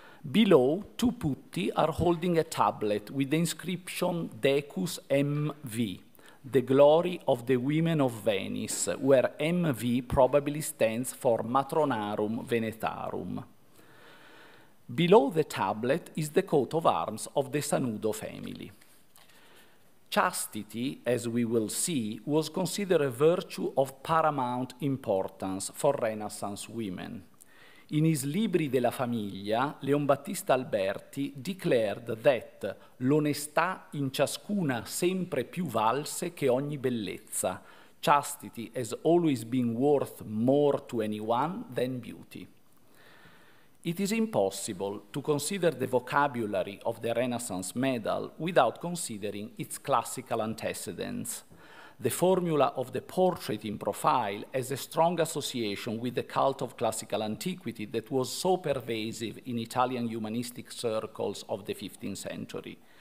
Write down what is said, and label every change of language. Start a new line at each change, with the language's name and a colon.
English: Below, two putti are holding a tablet with the inscription Decus MV, the glory of the women of Venice, where MV probably stands for Matronarum Venetarum. Below the tablet is the coat of arms of the Sanudo family. Chastity, as we will see, was considered a virtue of paramount importance for Renaissance women. In his Libri della Famiglia, Leon Battista Alberti declared that
Italian: l'onestà in ciascuna sempre più valse che ogni bellezza.
English: Chastity has always been worth more to anyone than beauty. It is impossible to consider the vocabulary of the Renaissance medal without considering its classical antecedents. The formula of the portrait in profile has a strong association with the cult of classical antiquity that was so pervasive in Italian humanistic circles of the 15th century.